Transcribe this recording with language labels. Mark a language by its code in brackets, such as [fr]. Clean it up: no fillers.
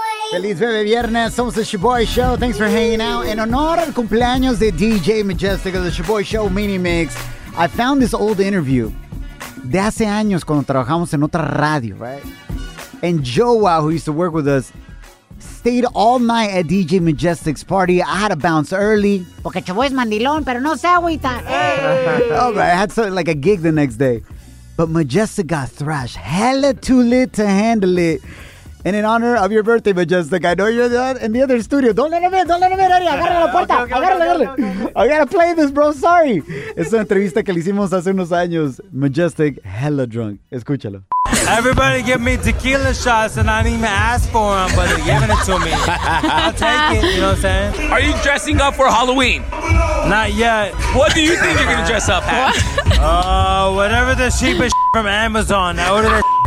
[es] Feliz Bebe Viernes, somos [en] the Shaboy Show. Thanks for hanging out. [es] En honor al cumpleaños de [en] DJ Majestic of the Shaboy Show Mini Mix, I found this old interview [es] de hace años cuando trabajamos en otra radio, [en] right? And Joa, who used to work with us, stayed all night at DJ Majestic's party. I had to bounce early. [es] Porque Shaboy es mandilón, pero no se agüita. [en] Oh, but I had something like a gig the next day. But Majestic got thrashed. Hella too lit to handle it. And in honor of your birthday, Majestic, I know you're in the other studio. Don't let him in, Ari. [es] Agarra la puerta. Agarra. [en] I gotta play this, bro. Sorry. [es] Es una entrevista que le hicimos hace unos años. [en] Majestic, hella drunk. [es] Escúchalo. [en] Everybody give me tequila shots, and I didn't even ask for them, but they're giving it to me. I'll take it, you know what I'm saying? Are you dressing up for Halloween? Not yet. What do you think you're going to dress up as? Whatever the cheapest from Amazon. I ordered that.